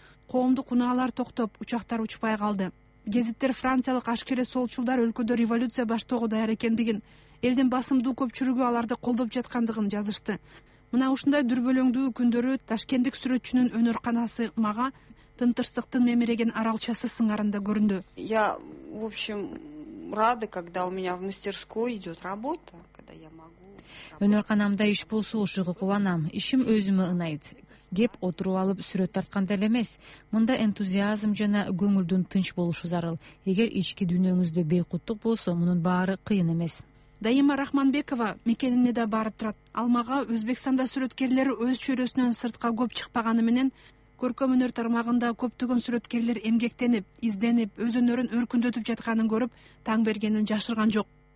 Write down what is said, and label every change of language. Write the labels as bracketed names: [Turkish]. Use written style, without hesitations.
[Kyrgyz] Коомдук унаалар токтоп, учактар учпай калды. Гезиттер франциялык ашкере солчулдар өлкөдө революция баштоого даяр экендигин, элдин басымдуу көпчүлүгү аларды колдоп жаткандыгын жазышты. Мына ушундай дүрбөлөңдүү күндөрү ташкендик сүрөтчүнүн өнөр канасы мага тынтырсыктын мемиреген аралчасы сыңарында көрүндү. [Russian] Я, в общем, рады, когда у меня в мастерской идет работа, когда я могу. [Kyrgyz] Өнөр канамда иш болсо ушуга кубанам. Ишим өзүмө ынайт. Кеп отуруп алып сүрөт тартканда эле эмес. Мында энтузиазм жана көңүлдүн тынч болушу зарыл. Эгер ички дүйнөңүздө бейкуттук болсо, мунун баары кыйын эмес. Дайыма Рахманбекова мекенине да барып турат. Алмага Өзбекстанда сүрөткерлер өз чөйрөсүнөн сыртка көп чыкпаганы менен көркөм өнөр тармагында көптөгөн сүрөткерлер эмгектенип, изденип, өз өнөрүн өркүндөтүп жатканын көрүп, таң бергенин жашырган жок.